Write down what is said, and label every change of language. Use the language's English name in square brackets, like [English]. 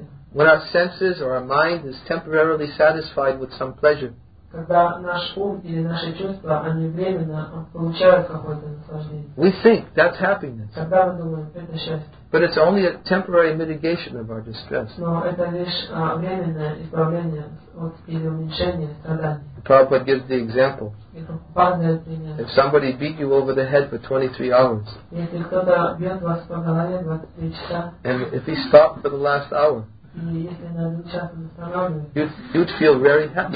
[English] When our senses or our mind is temporarily satisfied with some pleasure, [Russian] когда наш ум или наши чувства, они временно получают какое-то наслаждение. [English] We think that's happiness. [Russian] Когда мы думаем, это счастье. [English] But it's only a temporary mitigation of our distress. [Russian] Но это лишь временное исправление от или уменьшение страданий. [English] Prabhupada gives the example. If somebody beat you over the head for 23 hours, and if he stopped for the last hour, you'd feel very happy.